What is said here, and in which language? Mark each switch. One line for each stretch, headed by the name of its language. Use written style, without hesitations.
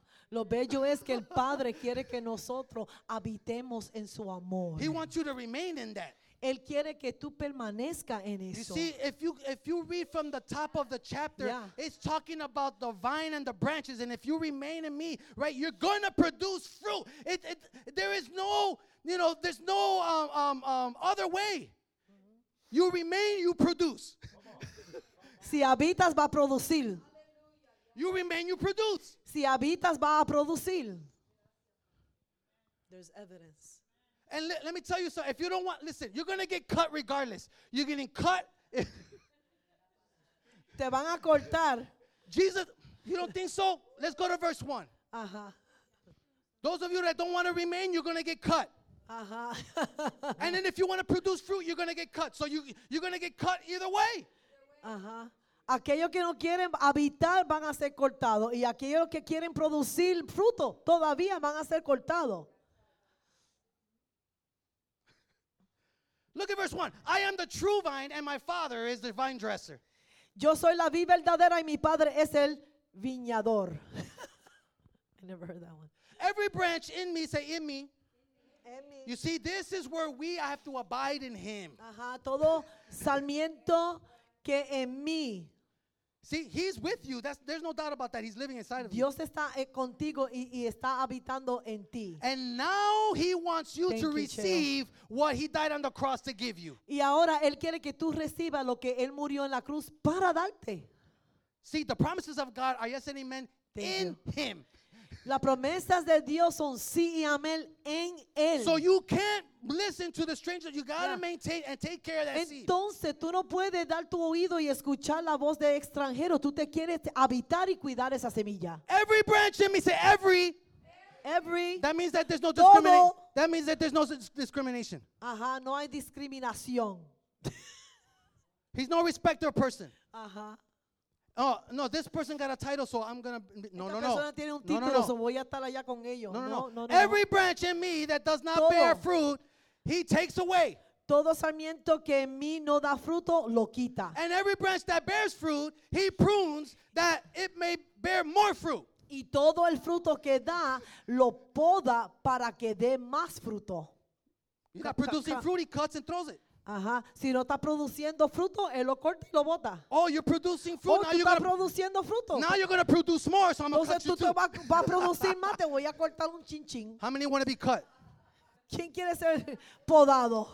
Spanish: Lo bello es que el Padre quiere que nosotros habitemos en su amor.
English: He wants you to remain in that.
Spanish: Él quiere que tú permanezca en eso.
English: You see, if you read from the top of the chapter, yeah, it's talking about the vine and the branches. And if you remain in me, right, you're going to produce fruit. There's no other way. You remain, you produce.
Spanish: Si habitas, va a producir.
English: You remain, you produce.
Spanish: Si habitas, va a producir.
English: There's evidence. And let me tell you something. If you don't want, listen, you're going to get cut regardless. You're getting cut.
Spanish: Te van a cortar.
English: Jesus, you don't think so? Let's go to verse 1. Uh-huh. Those of you that don't want to remain, you're going to get cut. Uh-huh. And then if you want to produce fruit, you're going to get cut. So you're going to get cut either way. Uh-huh.
Spanish: Aquellos que no quieren habitar van a ser cortados. Y aquellos que quieren producir fruto todavía van a ser cortados.
English: Look at verse 1. I am the true vine and my Father is the vine dresser.
Spanish: Yo soy la vid verdadera y mi Padre es el viñador.
English: I never heard that one. Every branch in me, say in me. You see, this is where we have to abide in Him.
Spanish: Todo sarmiento que en mí.
English: See, He's with you. There's no doubt about that. He's living inside of
Spanish: Dios está contigo y está habitando en ti.
English: And now He wants you to receive what He died on the cross to give you.
Spanish: Y ahora Él quiere que tú recibas lo que Él murió en la cruz para darte.
English: See, the promises of God are yes and amen in Him.
Spanish: Las promesas de Dios son sí y amén en Él.
English: So you can't listen to the strangers. You got to maintain and take care of that
Spanish: Entonces,
English: seed.
Spanish: Entonces, tú no puedes dar tu oído y escuchar la voz de extranjero. Tú te quieres habitar y cuidar esa semilla.
English: Every branch in me, say every. Every. That means that there's no discrimination. That means that there's no discrimination.
Spanish: Ajá, no hay discriminación.
English: He's no respecter of person. Ajá. Oh, no, this person got a title, so I'm going to... No, no, no. No, no, no.
Spanish: Voy a estar allá con ellos. No, no, no.
English: Every branch in me that does not bear fruit, He takes away.
Spanish: Todo sarmiento que en mí no da fruto, lo quita.
English: And every branch that bears fruit, He prunes that it may bear more fruit.
Spanish: Y todo el fruto que da, lo poda para que dé más fruto.
English: You got producing fruit, He cuts and throws it. Ajá.
Spanish: Si no está produciendo fruto, él lo corta y lo bota.
English: Oh, you're producing fruit. Oh, now you're gonna
Spanish: produciendo fruto.
English: Now you're gonna produce more, so I'm gonna cut you too.
Spanish: Entonces tú vas a producir más, te voy a cortar un chinchín.
English: How many want to be cut?
Spanish: ¿Quién quiere ser podado?